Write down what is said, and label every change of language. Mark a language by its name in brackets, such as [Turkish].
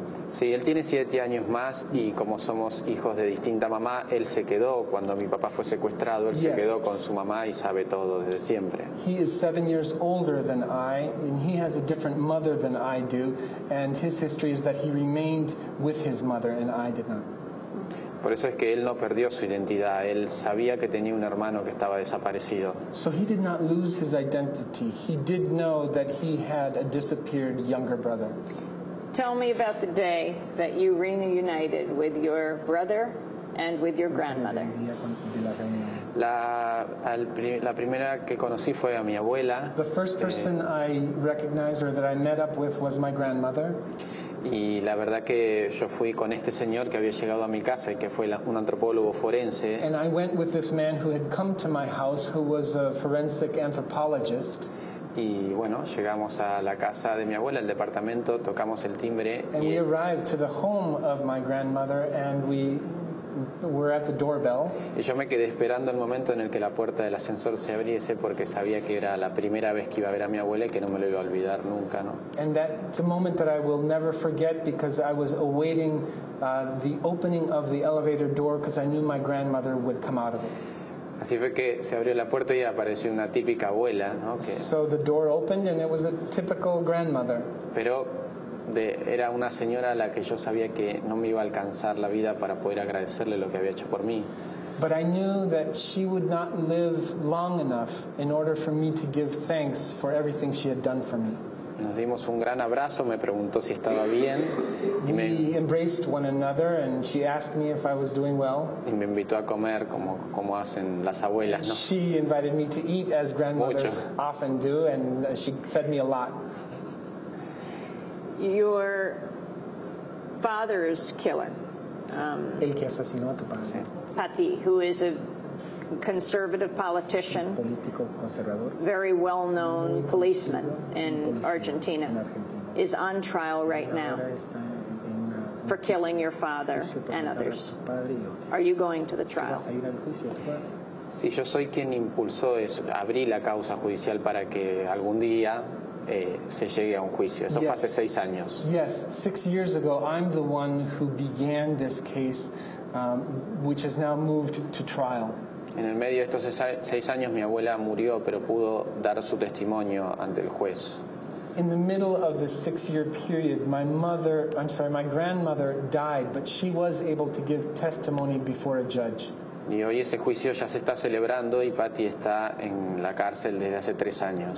[Spanish] Sí, él tiene 7 años más y como somos hijos de distinta mamá, él se quedó cuando mi papá fue secuestrado, él se quedó con su mamá y sabe todo desde siempre. [English] He is 7 years older than I and he has a different mother than I do and his history is that he remained with his mother and I did not. [Spanish] Por eso es que él no perdió su identidad, él sabía que tenía un hermano que estaba desaparecido. [English] So he did not lose his identity. He did know that he had a disappeared younger brother. Tell me about the day that you reunited with your brother and with your grandmother. [Spanish] La primera que conocí fue a mi abuela. [English] The first person I recognized or that I met up with was my grandmother. [Spanish] Y la verdad que yo fui con este señor que había llegado a mi casa y que fue un antropólogo forense. [English] And I went with this man who had come to my house who was a forensic anthropologist. [Spanish] Y bueno, llegamos a la casa de mi abuela, al departamento, tocamos el timbre. [English] And we arrived to the home of my grandmother and we were at the doorbell. [Spanish] Y yo me quedé esperando el momento en el que la puerta del ascensor se abriese porque sabía que era la primera vez que iba a ver a mi abuela y que no me lo iba a olvidar nunca, ¿no? [English] And that's a moment that I will never forget because I was awaiting the opening of the elevator door because I knew my grandmother would come out of it. [Spanish] Así fue que se abrió la puerta y apareció una típica abuela, ¿no? [English] Okay. So the door opened and it was a typical grandmother. [Spanish] Pero era una señora a la que yo sabía que no me iba a alcanzar la vida para poder agradecerle lo que había hecho por mí. [English] But I knew that she would not live long enough in order for me to give thanks for everything she had done for me. [Spanish] Nos dimos un gran abrazo, me preguntó si estaba bien. [English] We embraced one another and she asked me if I was doing well. [Spanish] Y me invitó a comer como hacen las abuelas, ¿no? [English] She invited me to eat as grandmothers often do and she fed me a lot. Your father's killer. [Spanish] El que asesinó a tu padre. [English] Pati, who is a conservative politician, very well-known policeman in Argentina, is on trial right now for killing your father and others. Are you going to the trial? [Spanish] Sí, yo soy quien impulsó eso. Abrí la causa judicial para que algún día se llegue a un juicio. Eso fue hace 6 años. [English] Yes, 6 years ago, I'm the one who began this case, which has now moved to trial. [Spanish] En el medio de estos 6 años, mi abuela murió, pero pudo dar su testimonio ante el juez. [English] In the middle of the 6-year period, my grandmother died, but she was able to give testimony before a judge. [Spanish] Y hoy ese juicio ya se está celebrando y Patty está en la cárcel desde hace 3 años.